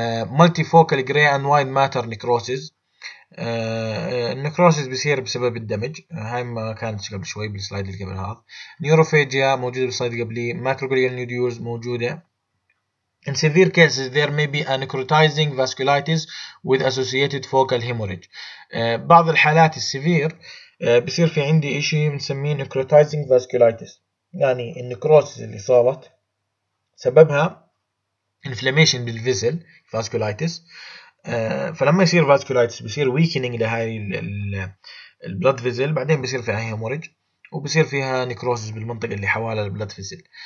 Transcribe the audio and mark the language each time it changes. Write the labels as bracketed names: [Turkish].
[English] multifocal grey and white matter necrosis, [Arabic] النكروسيس بيصير بسبب الدمج، هاي ما كانتش قبل شوي بالسلايد اللي قبل هذا. نيوروفاجيا موجوده بالسلايد قبلي، ماكروغليال نيوديولز موجوده. [English] In severe cases there may be a necrotizing vasculitis with associated focal hemorrhage. [Arabic] بعض الحالات السيفير بيصير في عندي شيء بنسميه necrotizing vasculitis، يعني النكروسيس اللي صارت سببها inflammation بالفيزل vasculitis. فلما يصير vasculitis بيصير weakening لهاي البلد فيزل، بعدين بيصير فيها هيموريج وبصير فيها نيكروسيس بالمنطقه اللي حوالي البلد فيزل.